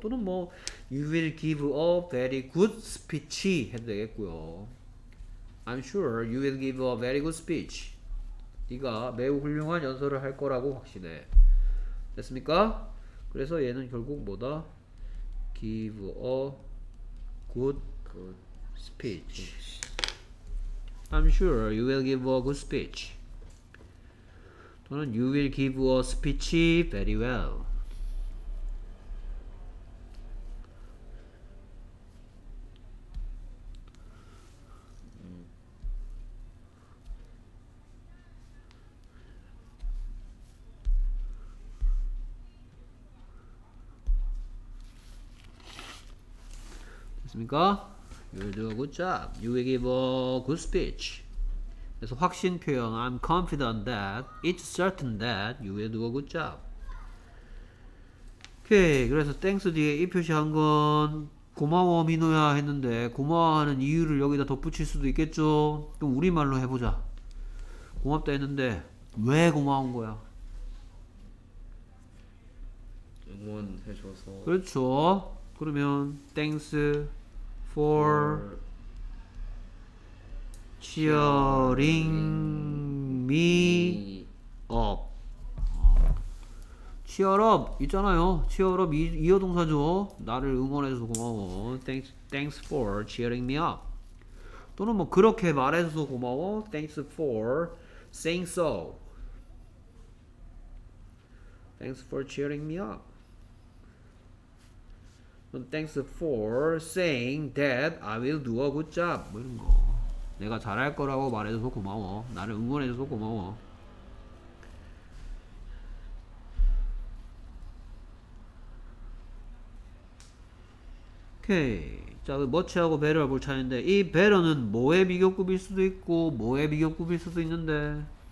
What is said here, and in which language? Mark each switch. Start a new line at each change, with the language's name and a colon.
Korean: 또는 뭐
English: You will give a very good speech
Korean: 해도 되겠고요.
English: I'm sure you will give a very good speech.
Korean: 네가 매우 훌륭한 연설을 할 거라고 확신해. 됐습니까? 그래서 얘는 결국 뭐다?
English: Give a good speech. I'm sure you will give a good speech.
Korean: 또는
English: you will give a speech very well.
Korean: 됐습니까?
English: You will do a good job. You will give a good speech.
Korean: 그래서 확신 표현.
English: I'm confident that it's certain that you will do a good job.
Korean: 오케이. 그래서 thanks 뒤에 이 표시한 건 고마워 민호야 했는데 고마워하는 이유를 여기다 덧붙일 수도 있겠죠? 그럼 우리말로 해보자. 고맙다 했는데 왜 고마운 거야? 응원해줘서. 그렇죠. 그러면
English: thanks for cheering me up.
Korean: Cheer up 있잖아요. Cheer up 이어 동사죠. 나를 응원해줘서 고마워.
English: Thanks for cheering me up.
Korean: 또는 뭐 그렇게 말해줘서 고마워.
English: Thanks for saying so. Thanks for cheering me up. Thanks for saying that I will do a good job.
Korean: 뭐 이런 거. 내가 잘할 거라고 말해줘서 고마워. 나를 응원해줘서 고마워. 오케이. 자, 머치하고 배럴 볼 차례인데 이 배럴은 뭐의 비교급일 수도 있고 뭐의 비교급일 수도 있는데